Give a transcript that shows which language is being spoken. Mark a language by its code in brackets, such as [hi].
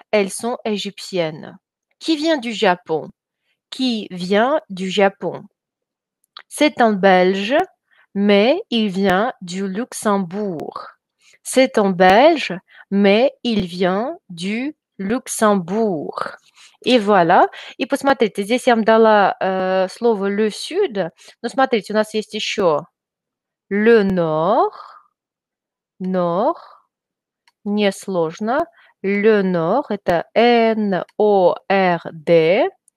[fr] Elles sont égyptiennes. Qui vient du Japon? Qui vient du Japon? C'est un Belge, mais il vient du Luxembourg. C'est un Belge, mais il vient du Luxembourg. [ru] И voilà. И посмотрите, здесь я вам дала слово «le sud». Но смотрите, у нас есть еще «le nord». «Nord». Несложно. «Le nord» – это «N-O-R-D».